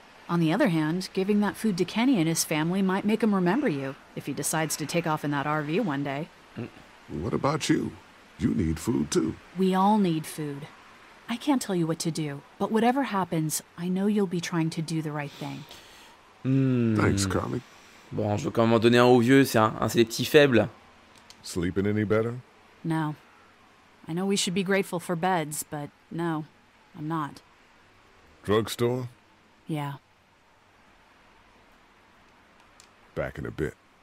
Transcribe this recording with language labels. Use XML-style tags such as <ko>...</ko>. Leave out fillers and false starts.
<en>On the other hand, giving that food to Kenny and his family might make him remember you, if he decides to take off in that RV one day. What about you? You need food too. We all need food. I can't tell you what to do, but whatever happens, I know you'll be trying to do the right thing. Thanks, Carly.</en> <fr>Bon, je veux quand même en donner un au vieux, c'est des petits faibles.</fr> <en>Sleeping any better? No. I know we should be grateful for beds, but no, I'm not. Drugstore? Yeah. Back in a bit.</en>